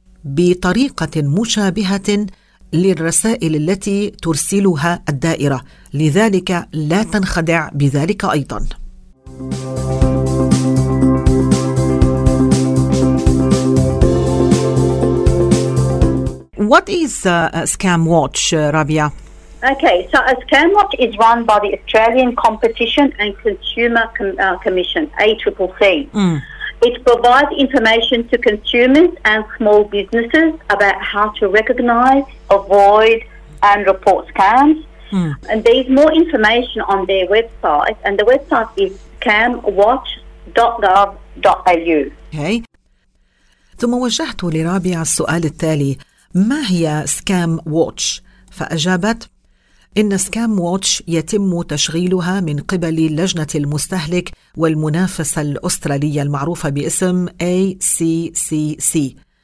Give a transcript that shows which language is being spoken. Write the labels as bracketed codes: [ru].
[ar] بطريقة مشابهة للرسائل التي ترسلها الدائرة لذلك لا تنخدع بذلك أيضا [en] What is Scam Watch, Rabia? Okay, so a scam watch is run by the Australian Competition and Consumer Commission, ACCC. It provides information to consumers and small businesses about how to recognise, avoid and report scams. And there's more information on their website, and the website is scamwatch.gov.au. Okay. [ar] ثم وجهت لرابع السؤال التالي, ما هي Scam Watch؟ فأجابت, إن سكام ووتش يتم تشغيلها من قبل لجنة المستهلك والمنافسة الأسترالية المعروفة باسم ACCC